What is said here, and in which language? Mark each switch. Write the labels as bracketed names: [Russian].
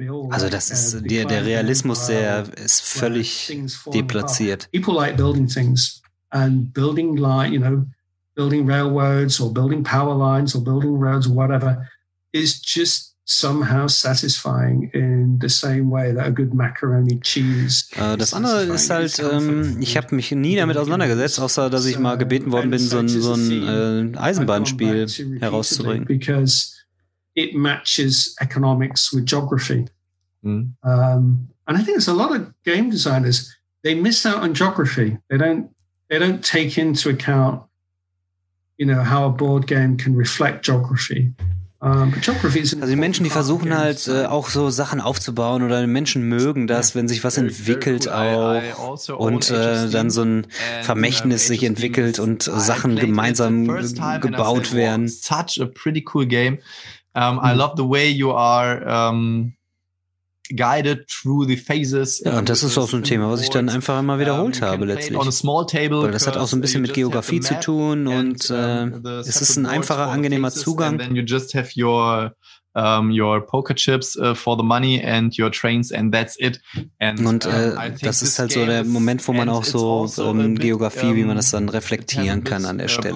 [German] Also das ist der Realismus, der ist völlig deplatziert. [English] People like building things and building line, you know, building railroads or building power lines or building roads or whatever is just somehow satisfying in the same way that a good macaroni cheese. [German] Das andere ist halt, ich habe mich nie damit auseinandergesetzt, außer dass ich mal gebeten worden bin, so ein Eisenbahnspiel herauszubringen. [English] Because it matches economics with geography. And I think there's a lot of game designers, they miss out on geography. They don't take into account, you know, how a board game can reflect geography. [German] Also die Menschen, die versuchen halt auch so Sachen aufzubauen oder Menschen mögen das, wenn sich was entwickelt auch und dann so ein Vermächtnis sich entwickelt und Sachen gemeinsam gebaut werden. [English] Such a pretty cool game. I love the way you are guided through the phases. [German] Ja, und das ist auch so ein Thema, was ich dann einfach immer wiederholt habe letztlich. [English] On a small table, [German] weil das hat auch so ein bisschen mit Geografie zu tun und es ist ein einfacher, angenehmer Zugang. [English] And then you just have your poker chips for the money and your trains and that's it. [German] Und das ist halt so der Moment, wo man auch so um Geografie, wie man das dann reflektieren kann an der Stelle.